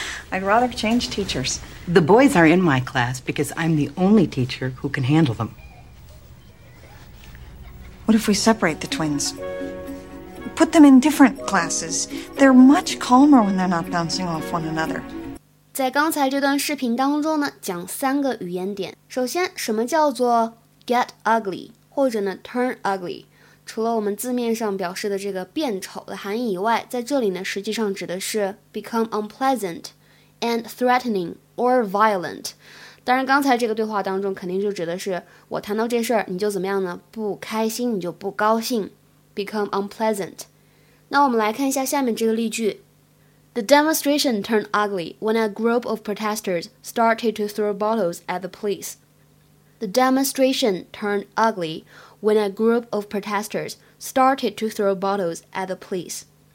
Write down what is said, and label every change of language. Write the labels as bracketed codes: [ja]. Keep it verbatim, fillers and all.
[en] I'd rather change teachers. The boys are in my class because I'm the only teacher who can handle them. What if we separate the twins? Put them in different classes. They're much calmer when they're not bouncing off one another. [zh] 在刚才这段视频当中呢，讲三个语言点。首先，什么叫做 [en] get ugly [zh] 或者呢 [en] turn ugly？ [zh] 除了我们字面上表示的这个变丑的含义以外，在这里呢，实际上指的是 [en] become unpleasant and threatening or violent。 [zh] 当然，刚才这个对话当中肯定就指的是我谈到这事儿，你就怎么样呢？不开心，你就不高兴 ， [en] become unpleasant。 [zh] 那我们来看一下下面这个例句 [en] The demonstration turned ugly when a group of protesters started to throw bottles at the police. The demonstration turned ugly when a group of protesters started to throw bottles at the police.